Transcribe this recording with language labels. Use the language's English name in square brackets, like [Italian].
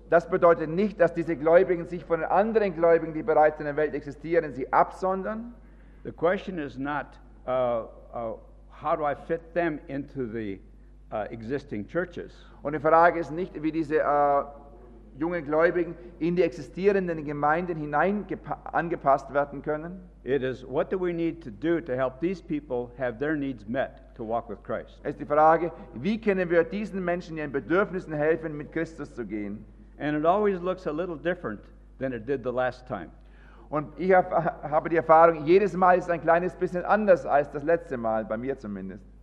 [German] Das bedeutet nicht, dass diese Gläubigen sich von den anderen Gläubigen, die bereits in der Welt existieren, sie absondern. [English] The question is not how do I fit them into the existing churches. [German] Und die Frage ist nicht, wie diese jungen Gläubigen in die existierenden Gemeinden hinein angepasst werden können. [English] It is what do we need to do to help these people have their needs met to walk with Christ. [German] Es ist die Frage, wie können wir diesen Menschen ihren Bedürfnissen helfen, mit Christus zu gehen? [English] And it always looks a little different than it did the last time. [German] Und ich habe die Erfahrung, jedes Mal ist ein kleines bisschen anders als das letzte Mal, bei mir zumindest.